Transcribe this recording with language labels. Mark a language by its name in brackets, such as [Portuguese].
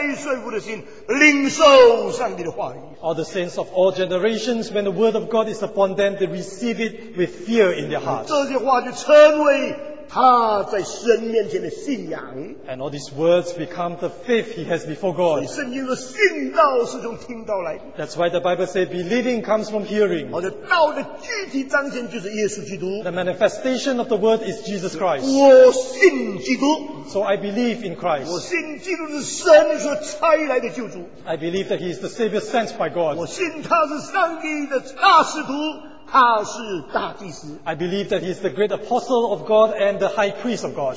[Chinese] 历史历代的圣徒，每一次神的话临到他的时候，他有恐惧战兢、谦卑顺服的心，领受上帝的话语。 [English] All the saints of all generations, when the word of God is upon them, they receive it with fear in their hearts. [Chinese] 这些话就成为 他在神面前的信仰, [English] and all these words become the faith he has before God. [Chinese] 所以圣经的信道是从听到来的, [English] That's why the Bible says believing comes from hearing. [Chinese] 而道的具体彰显就是耶稣基督, [English] the manifestation of the word is Jesus Christ. [Chinese] 我信基督, [English] so I believe in Christ. [Chinese] 我信基督是神所差来的救主, [English] I believe that he is the Savior sent by God. [Chinese] 我信他是上帝的大使徒, [English] I believe that he is the great apostle of God and the high priest of God.